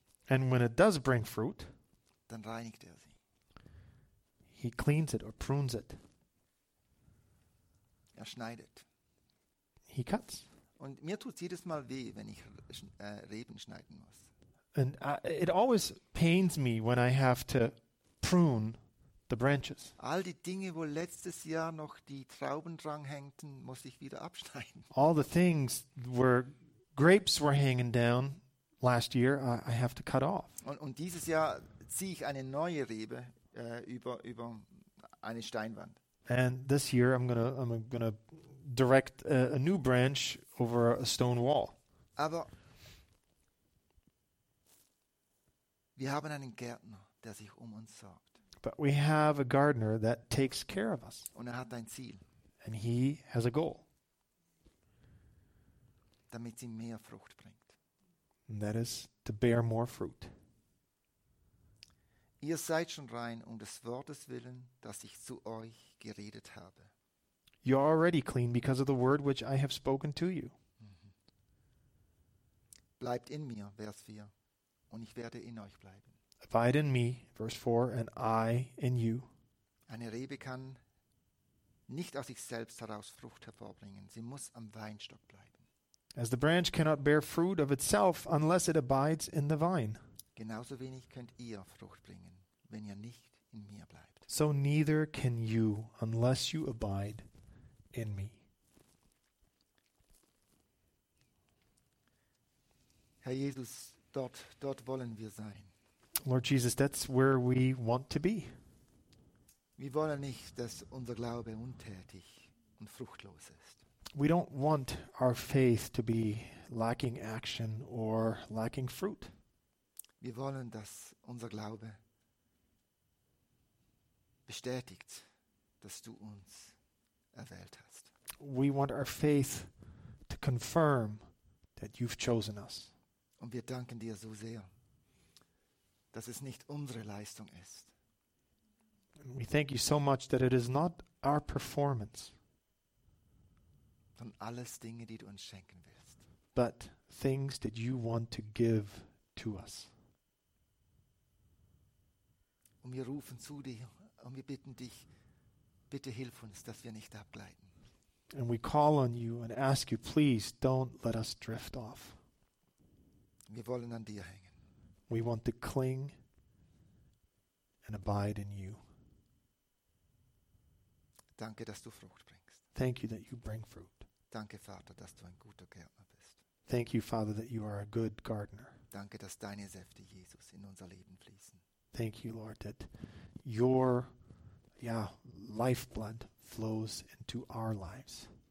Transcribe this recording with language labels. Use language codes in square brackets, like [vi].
[en] and when it does bring fruit, [de] dann reinigt er sie. [en] He cleans it or prunes it. [de] Er schneidet. [en] He cuts. [de] Und mir tut's jedes Mal weh, wenn ich Reben schneiden muss. [en] And it always pains me when I have to prune the branches. [de] All die Dinge, wo letztes Jahr noch die Trauben dranhängten, muss ich wieder abschneiden. [en] All the things where grapes were hanging down last year, I have to cut off. [de] Und dieses Jahr ziehe ich eine neue Rebe über eine Steinwand. [en] And this year I'm gonna direct a new branch over a stone wall. [de] Aber wir haben einen Gärtner, der sich uns sorgt. [en] But we have a gardener that takes care of us. [de] Und hat ein Ziel. [en] And he has a goal. [de] Damit sie mehr Frucht bringt. [en] And that is to bear more fruit. [de] Ihr seid schon rein um des Wortes willen, das ich zu euch geredet habe. [en] You are already clean because of the word which I have spoken to you. Mm-hmm. [de] Bleibt in mir, Vers 4, und ich werde in euch bleiben. [en] Abide in me, verse 4, and I in you. [de] Eine Rebe kann nicht aus sich selbst heraus Frucht hervorbringen. Sie muss am Weinstock bleiben. [en] As the branch cannot bear fruit of itself unless it abides in the vine. [de] Genauso wenig könnt ihr Frucht bringen, wenn ihr nicht in mir bleibt. [en] So neither can you unless you abide in me. [de] Herr Jesus, dort wollen wir sein. [en] Lord Jesus, that's where we want to be. [de] Wir wollen nicht, dass unser Glaube untätig und fruchtlos ist. [en] We don't want our faith to be lacking action or lacking fruit. [de] Wir wollen, dass unser Glaube bestätigt, dass du uns erwählt hast. [en] We want our faith to confirm that you've chosen us. [de] Und wir danken dir so sehr, dass es nicht unsere Leistung ist. [en] And we thank you so much that it is not our performance. [de] Von alles Dinge, die du uns schenken willst. [en] But things that you want to give to us. [de] Und wir rufen zu dir und wir bitten dich, bitte hilf uns, dass wir nicht abgleiten. [en] And we call on you and ask you, please don't let us drift off. [de] Wir wollen an dir hängen. [en] We want to cling and abide in you. [de] Danke, dass du Frucht bringst. [en] Thank you that you bring fruit. [de] Danke, Vater, dass du ein guter Gärtner bist. [en] Thank you, Father, that you are a good gardener. [de] Danke, dass deine Säfte, Jesus, in unser Leben fließen. [en] Thank you, Lord, that your lifeblood flows into our lives.